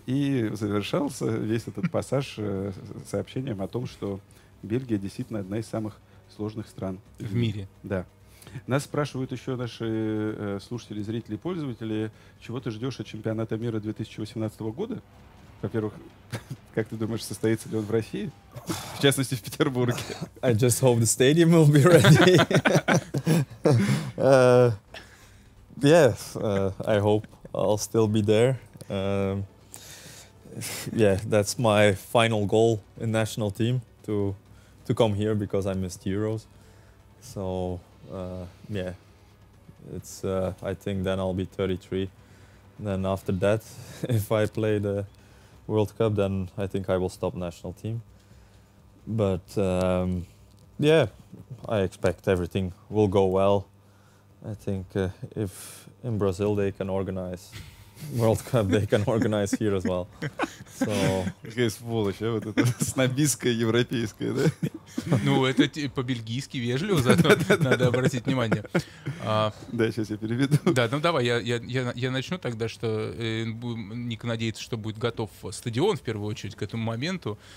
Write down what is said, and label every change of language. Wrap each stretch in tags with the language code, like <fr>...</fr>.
<ru>И завершался весь этот пассаж сообщением о том, что Бельгия действительно одна из самых сложных стран в мире. Да. Нас спрашивают еще наши слушатели, зрители, пользователи, чего ты ждешь от чемпионата мира 2018 года? Во-первых, как ты думаешь, состоится ли он в России? В частности, в Петербурге.</ru> <en>I just hope the stadium will be ready. I hope I'll still be there. That's my final goal in national team. to come here because I missed Euros. So yeah, it's I think then I'll be 33. Then after that, if I play the World Cup, then I think I will stop national team. But yeah, I expect everything will go well. I think if in Brazil they can organize World Cup, they can organize here as well. So.</en> <ru>Какая сволочь, а вот это снобистская европейская, да? Ну, это по-бельгийски вежливо, зато надо обратить внимание. Да, сейчас я переведу. Да, ну давай, я начну тогда, что Ник надеется, что будет готов стадион, в первую очередь, к этому моменту.</ru>